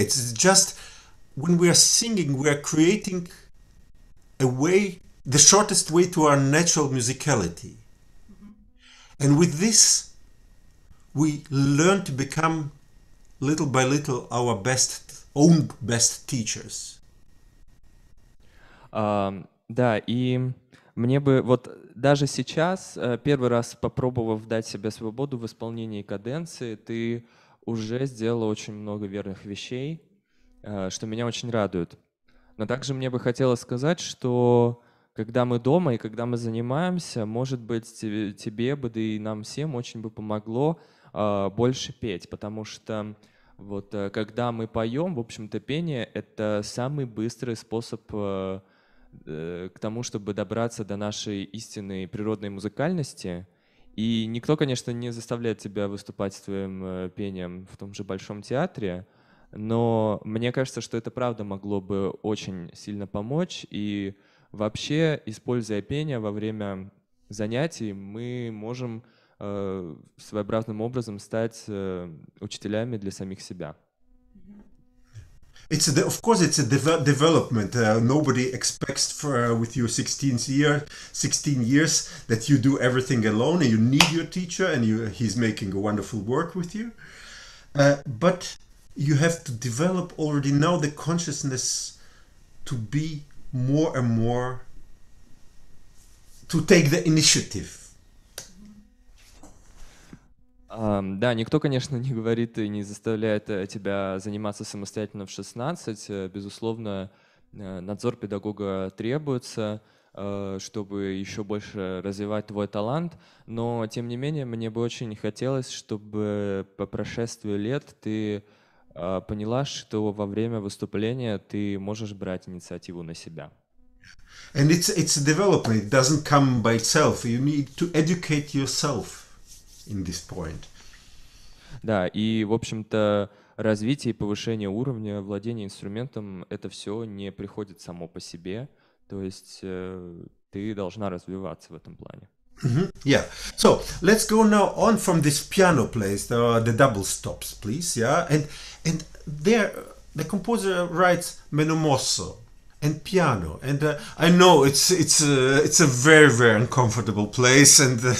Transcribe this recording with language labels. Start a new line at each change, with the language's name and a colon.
English: It's just when we are singing, we are creating a way, the shortest way to our natural musicality. And with this, we learn to become little by little our own best teachers.
Russian: Да, и мне бы вот даже сейчас, первый раз попробовав дать себе свободу в исполнении каденции, ты уже сделала очень много верных вещей, что меня очень радует. Но также мне бы хотелось сказать, что когда мы дома и когда мы занимаемся, может быть, тебе бы, да и нам всем очень бы помогло больше петь, потому что вот когда мы поем, в общем-то, пение — это самый быстрый способ к тому, чтобы добраться до нашей истинной природной музыкальности. И никто, конечно, не заставляет тебя выступать с твоим пением в том же Большом театре, но мне кажется, что это правда могло бы очень сильно помочь. И вообще, используя пение во время занятий, мы можем своеобразным образом стать учителями для самих себя.
English: It's a, of course it's a development. Nobody expects for, with your 16 years that you do everything alone and you need your teacher and he's making a wonderful work with you. But you have to develop already now the consciousness to be more and more, to take the initiative.
Russian: Да, никто, конечно, не говорит и не заставляет тебя заниматься самостоятельно в 16. Безусловно, надзор педагога требуется, чтобы еще больше развивать твой талант. Но, тем не менее, мне бы очень хотелось, чтобы по прошествию лет ты поняла, что во время выступления ты можешь брать инициативу на себя.
English: And it's a development. It doesn't come by itself. You need to educate yourself in this point.
Russian: Да, и, в общем-то, развитие и повышение уровня владения инструментом — это все не приходит само по себе. То есть ты должна развиваться в этом плане.
English: Mm-hmm. Yeah. So, let's go now on from this piano place, the double stops, please. Yeah. And there, the composer writes menomosso and piano. And I know it's a very, very uncomfortable place and...